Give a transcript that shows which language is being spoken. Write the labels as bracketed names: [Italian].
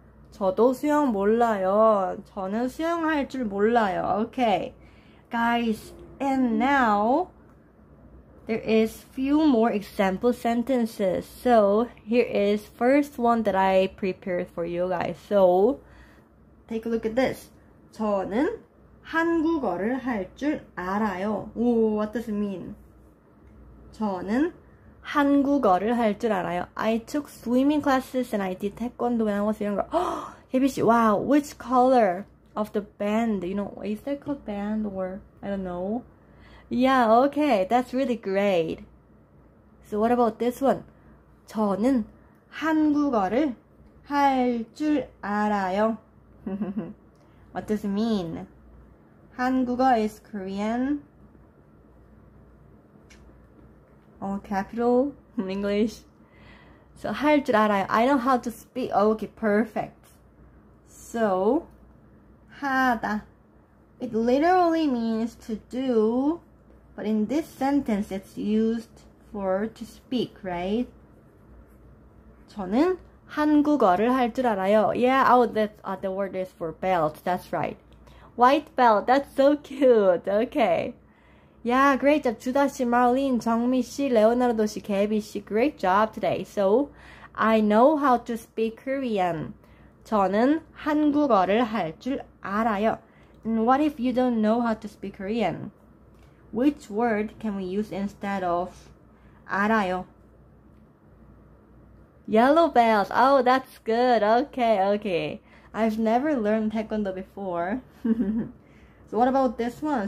[Korean] 저도 수영 몰라요. 저는 수영할 줄 몰라요. [English] Okay. Guys, and now There is few more example sentences. So here is first one that I prepared for you guys. So take a look at this. [Korean] 저는 한국어를 할 줄 알아요. [English] Ooh, what does it mean? 저는 [Korean] 한국어를 할 줄 알아요. [English] I took swimming classes and I did taekwondo when I was younger. Oh, KBC, wow, which color of the band? You know, is that called band or I don't know. Yeah, okay, that's really great. So what about this one? [Korean] 저는 한국어를 할 줄 알아요. [English] What does it mean? 한국어 is Korean. Oh, capital in English. So [Korean] 할 줄 알아요. [English] I know how to speak. Okay, perfect. So 하다. It literally means to do. But in this sentence, it's used for to speak, right? [Korean] 저는 한국어를 할 줄 알아요. [English] Yeah, oh, that's the word is for belt. That's right. White belt. That's so cute. Okay. Yeah, great job. [Korean] 주다 씨, 마울린, 정미 씨, 레오나르도 씨, 개비 씨. [English] Great job today. So, I know how to speak Korean. [Korean] 저는 한국어를 할 줄 알아요. [English] And what if you don't know how to speak Korean? Which word can we use instead of 알아요? Yellow belt. Oh, that's good. Okay, okay. I've never learned taekwondo before. So what about this one?